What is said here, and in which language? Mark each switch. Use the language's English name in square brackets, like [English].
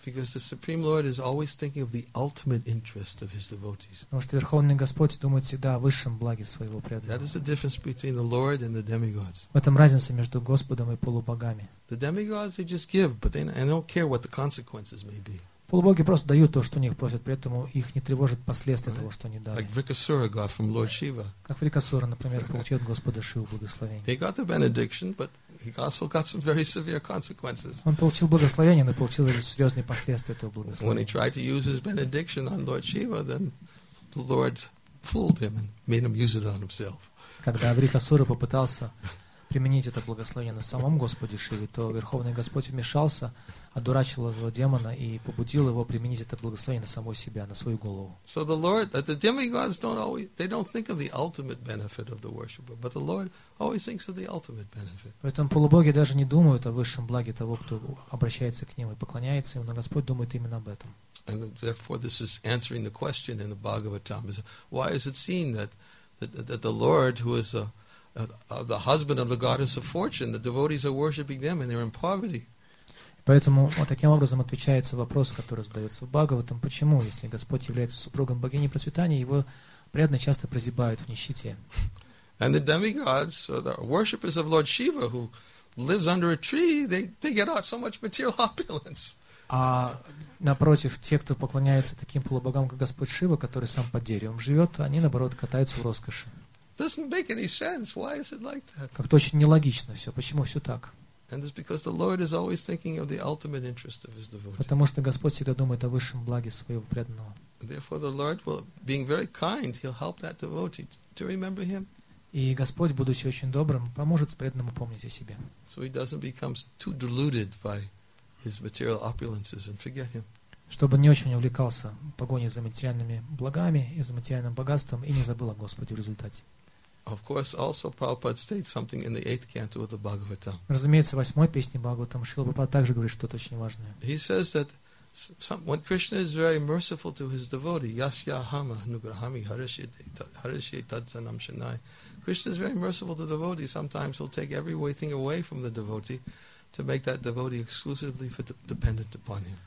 [English] Because the Supreme Lord is always thinking of the ultimate interest of his devotees. [Russian] Потому что Верховный Господь думает всегда о высшем благе своего преданного. [English] That is the difference between the Lord and the demigods. [Russian] В этом разница между Господом и полубогами. [English] The demigods, they just give, but they don't care what the consequences may be. [Russian] Полубоги просто дают то, что у них просят, при этом их не тревожит последствия того, что они дали. [English] Like Vrikasura got from Lord Shiva. [Russian] Как Врикасура, например, получил от Господа Шиву благословение. [English] He got the benediction, but he also got some very severe consequences. [Russian] Он получил благословение, но получил и серьезные последствия этого благословения. [English] When he tried to use his benediction on Lord Shiva, then the Lord fooled him and made him use it on himself. [Russian] Когда Врикасура попытался применить это благословение на самом Господе Шиве, то Верховный Господь вмешался, одурачил этого демона и побудил его применить это благословение на самого себя, на свою голову. [English] So the Lord, the demigods don't always, they don't think of the ultimate benefit of the worshiper, but the Lord always thinks of the ultimate benefit. [Russian] Поэтому полубоги даже не думают о высшем благе того, кто обращается к ним и поклоняется им, но Господь думает именно об этом. [English] And therefore this is answering the question in the Bhagavatam, why is it seen that the Lord, who is the husband of the goddess of fortune, the devotees are worshiping them and they're in poverty. [Russian] Поэтому вот таким образом отвечается вопрос, который задается в Бхагаватам, почему, если Господь является супругом богини процветания, его преданные часто прозябают в нищете. [English] And the demigods, so the worshippers of Lord Shiva, who lives under a tree, they get out so much material opulence. [Russian] А напротив, те, кто поклоняется таким полубогам, как Господь Шива, который сам под деревом живет, они, наоборот, катаются в роскоши. [English] Doesn't make any sense. Why is it like that? [Russian] Как-то очень нелогично все. Почему все так? [English] And it's because the Lord is always thinking of the ultimate interest of his devotee. [Russian] Потому что Господь всегда думает о высшем благе своего преданного. [English] Therefore, the Lord, being very kind, he'll help that devotee to remember him. [Russian] И Господь, будучи очень добрым, поможет преданному помнить о себе. [English] So he doesn't become too deluded by his material opulences and forget him. [Russian] Чтобы не очень увлекался погоней за материальными благами и за материальным богатством и не забыл о Господе в результате. [English] Of course, also Prabhupada states something in the eighth canto of the Bhagavatam. [Russian] Разумеется, восьмой песне Бхагаватам Шрила Прабхупада также говорит что-то очень важное. [English] He says that when Krishna is very merciful to his devotee, [Sanskrit] yasya hama nugrahami harishye tadzanam shanai. [English] Krishna is very merciful to the devotee. Sometimes he'll take every thing away from the devotee to make that devotee exclusively dependent upon him.